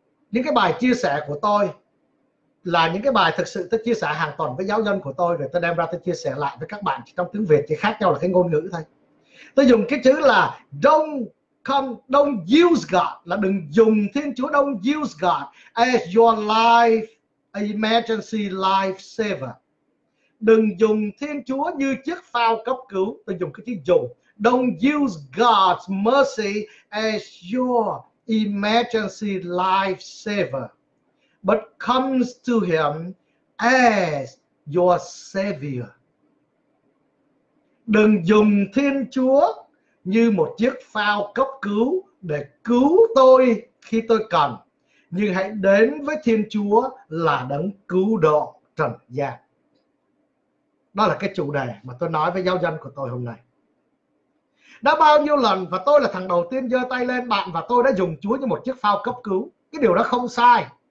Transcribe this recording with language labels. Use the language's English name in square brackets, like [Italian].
[Vietnamese] Những cái bài chia sẻ của tôi là những cái bài thực sự tôi chia sẻ hàng tuần với giáo dân của tôi, rồi tôi đem ra tôi chia sẻ lại với các bạn trong tiếng Việt, chỉ khác nhau là cái ngôn ngữ thôi. Tôi dùng cái chữ là [English] don't use God, [Vietnamese] là đừng dùng Thiên Chúa, [English] don't use God as your life emergency life saver. [Vietnamese] Đừng dùng Thiên Chúa như chiếc phao cấp cứu. Tôi dùng cái chữ dùng, [English] don't use God's mercy as your emergency life saver, but comes to him as your savior. [Vietnamese] Đừng dùng Thiên Chúa như một chiếc phao cấp cứu để cứu tôi khi tôi cần, nhưng hãy đến với Thiên Chúa là đấng cứu độ trần gian. Đó là cái chủ đề mà tôi nói với giáo dân của tôi hôm nay. Đã bao nhiêu lần, và tôi là thằng đầu tiên giơ tay lên, bạn và tôi đã dùng Chúa như một chiếc phao cấp cứu. Cái điều đó không sai.